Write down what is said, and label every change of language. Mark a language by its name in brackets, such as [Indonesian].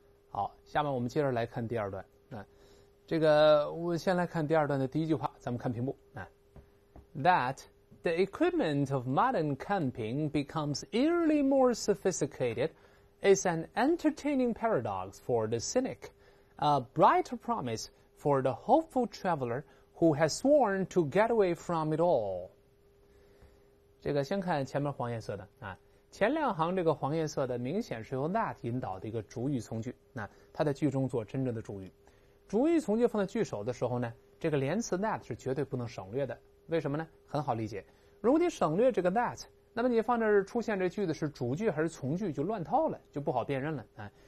[Chinese] 好，下面我们接着来看第二段。这个我先来看第二段的第一句话，咱们看屏幕。 [English] That the equipment of modern camping becomes yearly more sophisticated is an entertaining paradox for the cynic, a bright promise for the hopeful traveler who has sworn to get away from it all. [Chinese] 这个先看前面黄颜色的啊。前两行这个黄颜色的明显是由 that 引导的一个主语从句，那它在句中做真正的主语。主语从句放在句首的时候呢，这个连词 that 是绝对不能省略的。为什么呢？很好理解，如果你省略这个 that， 那么你放这儿出现这句子是主句还是从句就乱套了，就不好辨认了啊。